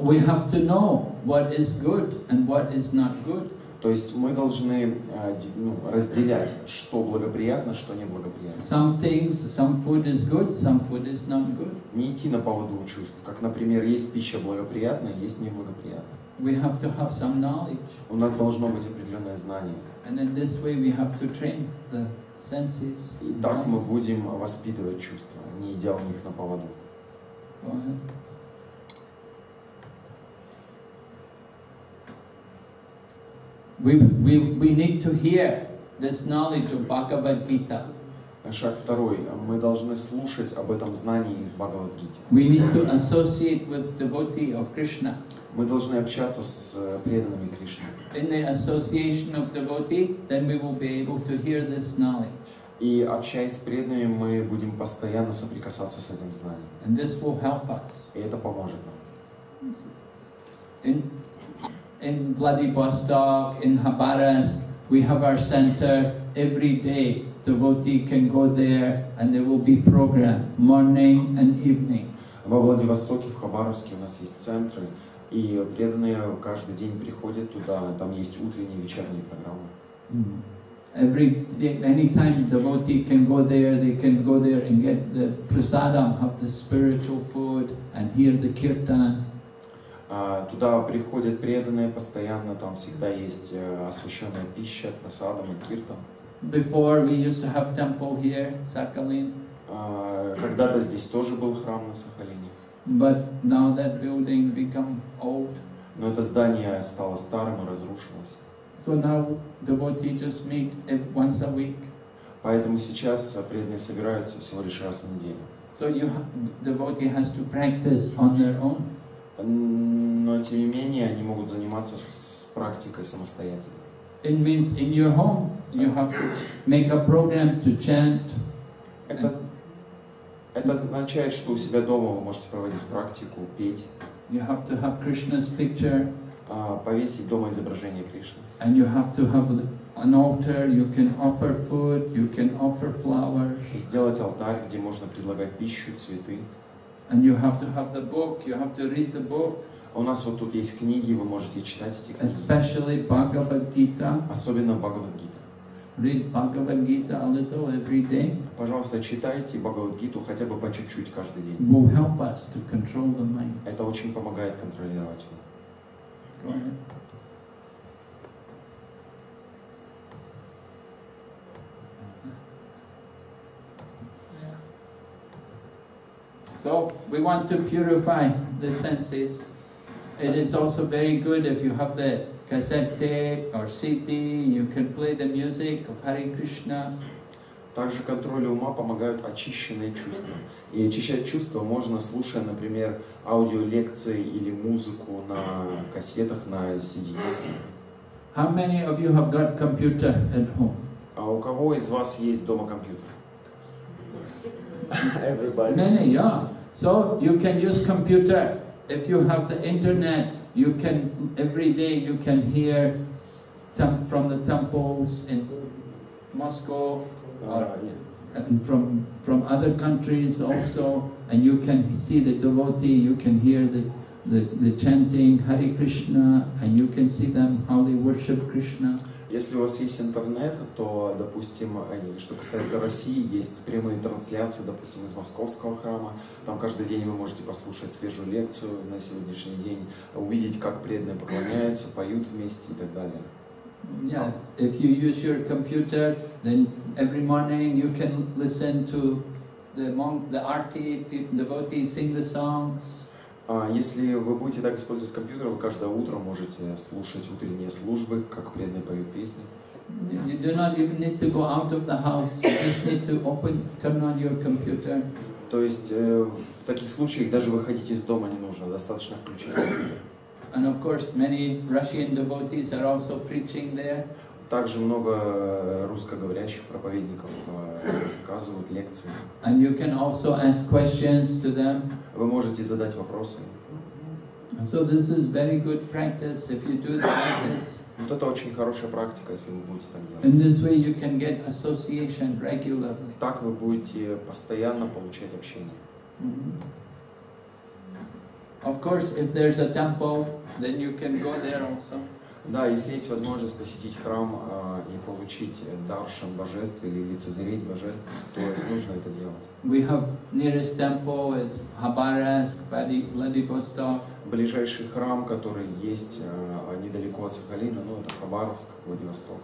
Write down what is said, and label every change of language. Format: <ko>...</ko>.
<en>We have to know what is good and what is not good.</en> <ru>То есть мы должны разделять, что благоприятно, что неблагоприятно.</ru> <en>Some things, some food is good, some food is not good.</en> <ru>Не идти на поводу чувств. Как, например, есть пища благоприятная, есть неблагоприятная.</ru> <en>We have to have some knowledge.</en> <ru>У нас должно быть определенное знание.</ru> <en>And in this way we have to train the senses.</en> <ru>И так мы будем воспитывать чувства, не идя у них на поводу.</ru> <en>Go ahead. We need to hear this knowledge of Bhagavad Gita.</en> <ru>Шаг второй. Мы должны слушать об этом знании из Бхагавад Гиты.</ru> <en>We need to associate with devotee of Krishna.</en> <ru>Мы должны общаться с преданными Кришны.</ru> <en>In the association of devotee, then we will be able to hear this knowledge.</en> <ru>И общаясь с преданными, мы будем постоянно соприкасаться с этим знанием.</ru> <en>And this will help us.</en> <ru>И это поможет нам.</ru> <en>In Vladivostok, in Khabarovsk, we have our center every day. Devotee can go there, and there will be program morning and evening.</en> <ru>Во Владивостоке, в Хабаровске у нас есть центры, и преданные каждый день приходят туда. Там есть утренние, вечерние программы.</ru> <en>Every day, anytime devotee can go there, they can go there and get the prasadam, have the spiritual food, and hear the kirtan.</en> <ru>Туда приходят преданные постоянно, там всегда есть освященная пища, прасадам и киртан.</ru> <en>Before we used to have temple here, Sakhalin.</en> <ru>Когда-то здесь тоже был храм на Сахалине.</ru> <en>But now that building become old.</en> <ru>Но это здание стало старым и разрушилось.</ru> <en>So now devotees just meet once a week.</en> <ru>Поэтому сейчас преданные собираются всего лишь раз в неделю.</ru> <en>So devotee has to practice on their own.</en> <ru>Но тем не менее они могут заниматься с практикой самостоятельно.</ru> <en>It means in your home you have to make a program to chant.</en> <ru>Это означает, что у себя дома вы можете проводить практику, петь.</ru> <en>You have to have Krishna's picture.</en> <ru>Повесить дома изображение Кришны.</ru> <en>And you have to have an altar. You can offer food. You can offer flowers.</en> <ru>Сделать алтарь, где можно предлагать пищу, цветы.</ru> <en>And you have to have the book. You have to read the book.</en> <ru>У нас вот тут есть книги, вы можете читать эти книги.</ru> <en>Especially Bhagavad Gita.</en> <ru>Особенно Bhagavad Gita.</ru> <en>Read Bhagavad Gita a little every day.</en> <ru>Пожалуйста, читайте Bhagavad Gita хотя бы по чуть-чуть каждый день.</ru> <en>Will help us to control the mind.</en> <ru>Это очень помогает контролировать ум.</ru> <en>Go ahead. So we want to purify the senses. It is also very good if you have the cassette or CD, you can play the music of Hare Krishna.</en> <ru>Также контролю ума помогают очищенные чувства. И очищать чувства можно, слушая, например, аудиолекции или музыку на кассетах, на CD-диске.</ru> <en>How many of you have got computer at home?</en> <ru>А у кого из вас есть дома компьютер?</ru> <en>Everybody. Many, yeah. So you can use computer. If you have the internet, you can every day you can hear from the temples in Moscow and from other countries also, and you can see the devotee, you can hear the chanting Hare Krishna, and you can see them how they worship Krishna.</en> <ru>Если у вас есть интернет, то, допустим, что касается России, есть прямые трансляции, допустим, из московского храма. Там каждый день вы можете послушать свежую лекцию на сегодняшний день, увидеть, как преданные поклоняются, поют вместе и так далее.</ru> <en>Yeah, if you use your computer, then every morning you can listen to the monk, the arti, the devotee sing the songs.</en> <ru>Если вы будете так использовать компьютер, вы каждое утро можете слушать утренние службы, как преданные поют песни.</ru> <en>You do not even need to go out of the house. You just need to open, turn on your computer.</en> <ru>То есть в таких случаях даже выходить из дома не нужно, достаточно включить.</ru> <en>And of course, many Russian devotees are also preaching there.</en> <ru>Также много русскоговорящих проповедников рассказывают лекции.</ru> <en>And you can also ask questions to them.</en> <ru>Вы можете задать вопросы.</ru> <en>So this is very good practice if you do that like this.</en> <ru>Вот это очень хорошая практика, если вы будете так делать.</ru> <en>In this way you can get association regularly.</en> <ru>Так вы будете постоянно получать общение. Mm-hmm.</ru> <en>Of course, if there's a temple, then you can go there also.</en> <ru>Да, если есть возможность посетить храм и получить даршан божеств или лицезреть божеств, то нужно это делать.</ru> <en>We have nearest temple is Khabarovsk, Vladivostok.</en> <ru>Ближайший храм, который есть недалеко от Сахалина, ну это Хабаровск, Владивосток.</ru>